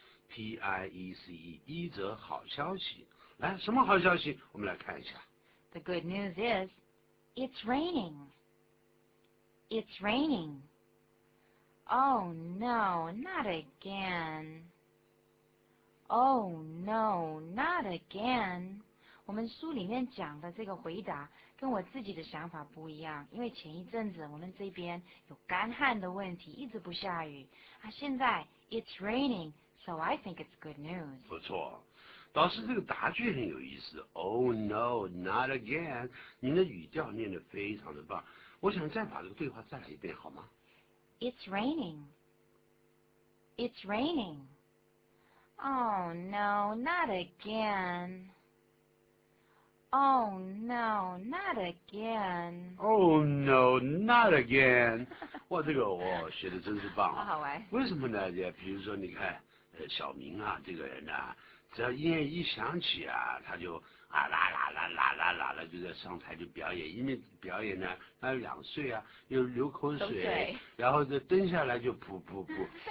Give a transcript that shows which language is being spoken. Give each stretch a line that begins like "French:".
Chinese: piece， 一则好消息。来，什么好消息？我们来看一下。
English: The good news is， it's raining。 It's raining。 Oh no， not again。 Oh no， not again。
Chinese: 我们书里面讲的这个回答跟我自己的想法不一样，因为前一阵子我们这边有干旱的问题，一直不下雨啊，现在 it's raining，
English: so I think it's good news。
Chinese: 不错，导师这个答句很有意思。
English: Oh no， not again，
Chinese: 您的语调念得非常的棒。我想再把这个对话再来一遍好吗？
English: It's raining， it's raining， Oh no， not againOh no, not again. Oh no, not again.
Chinese: 哇，这个我学的真是棒啊！好好玩。为什么呢？也比如说，你看，小明啊，这个人啊，只要音乐一响起啊，他就啊啦啦啦啦啦啦啦，就在上台就表演。因为表演呢，他有两岁啊，又流口水，然后就蹲下来就噗噗噗。